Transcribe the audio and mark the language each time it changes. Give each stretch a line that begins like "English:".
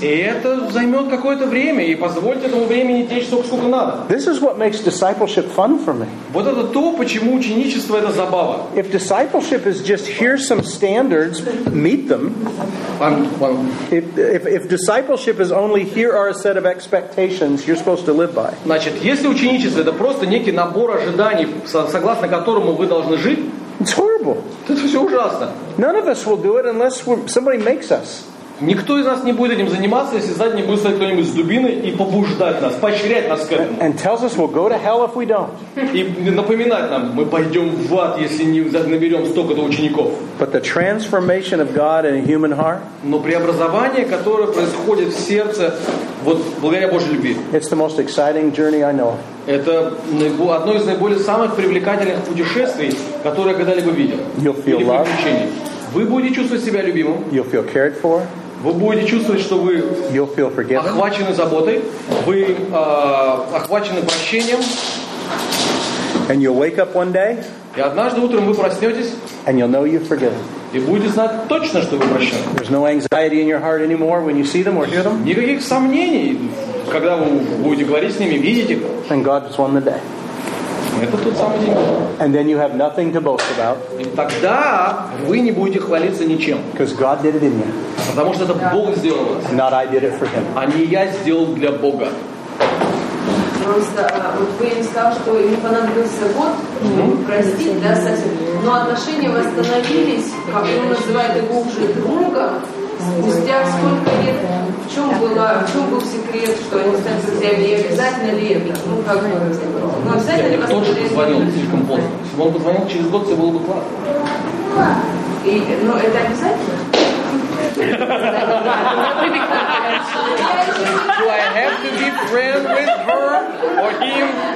Russian: И это займет какое-то время. И позвольте этому времени течь столько, сколько надо.
English: This is what makes discipleship fun for me.
Russian: Вот это то, почему ученичество — это забава.
English: If discipleship is just here's some standards, meet them. If discipleship is only here are a set of expectations you're supposed to live by.
Russian: Значит, если ученичество — это просто некий набор ожиданий, согласно которому вы должны жить,
English: it's horrible.
Russian: Это все ужасно.
English: None of us will do it unless somebody makes us.
Russian: Никто из нас не будет этим заниматься, если сзади не будет стоять кто-нибудь с дубиной и побуждать нас, поощрять нас к этому.
English: And tells us we'll go to hell if we don't.
Russian: И напоминать нам, мы пойдем в ад, если не наберем столько-то учеников.
English: But the transformation of God in a human heart,
Russian: но преобразование, которое происходит в сердце, вот благодаря Божьей любви,
English: it's the most exciting journey I know.
Russian: Это одно из наиболее самых привлекательных путешествий, которое я когда-либо видел.
English: You'll feel love.
Russian: Вы будете чувствовать себя любимым.
English: You'll feel cared for.
Russian: Вы будете чувствовать, что вы охвачены заботой. Вы охвачены прощением.
English: And you'll wake up one day,
Russian: и однажды утром вы проснетесь.
English: And you'll know you've forgiven.
Russian: И будете знать точно, что вы прощены.
English: There's no anxiety in your heart anymore when you see them or hear them.
Russian: Никаких сомнений, когда вы будете говорить с ними, видеть их.
English: And God has won the day.
Russian: прекрасно. Это тот самый день.
English: And then you have nothing to boast about.
Russian: И тогда вы не будете хвалиться ничем.
English: Because God did it in you.
Russian: Потому что это Бог сделал.
English: Not I did it for Him.
Russian: А не я сделал для Бога. Просто вот вы им сказали, что им понадобился год, простить, да, Сатя? Но отношения восстановились, как он называет его уже другом, спустя сколько лет, в чем был секрет, что они стали друзьями, и обязательно ли это? Ну, как бы, ну, обязательно ли восстановились? Я бы тоже позвонил, слишком поздно. Если бы он позвонил, через год все было бы классно. И, ну, это обязательно?
English: Do I have to be friends with her or him?